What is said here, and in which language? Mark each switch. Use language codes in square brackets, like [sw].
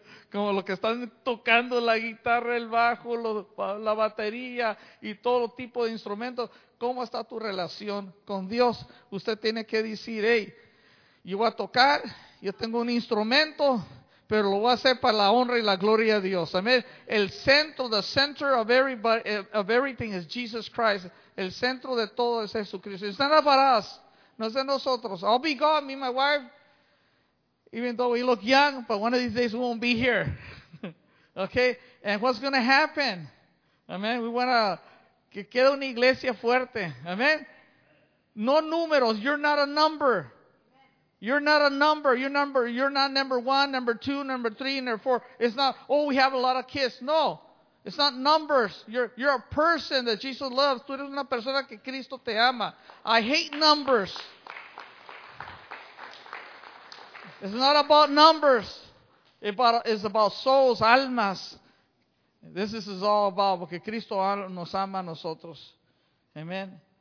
[es] Como los que están tocando la guitarra, el bajo, la batería y todo tipo de instrumentos. ¿Cómo está tu relación con Dios? Usted tiene que decir, hey, yo voy a tocar, yo tengo un instrumento, pero lo voy a hacer para la honra y la gloria de Dios. Amén. El centro, [en] the center of everything is Jesus Christ. [es] El centro de todo es Jesucristo. [en] It's not about us. [es] No es de nosotros. [en] I'll be God, me and my wife. Even though we look young, but one of these days we won't be here. Okay? And what's going to happen? Amen. We want to [es] que quede una iglesia fuerte. [en] Amen. [es] No números. [en] You're not a number. You're not a number. You're not number one, number two, number three, number four. It's not, oh, we have a lot of kids. No. It's not numbers. You're a person that Jesus loves. [es] Tú eres una persona que Cristo te ama. [en] I hate numbers. It's not about numbers. It's about souls, almas. This is all about [es] porque Cristo nos ama a nosotros. Amen.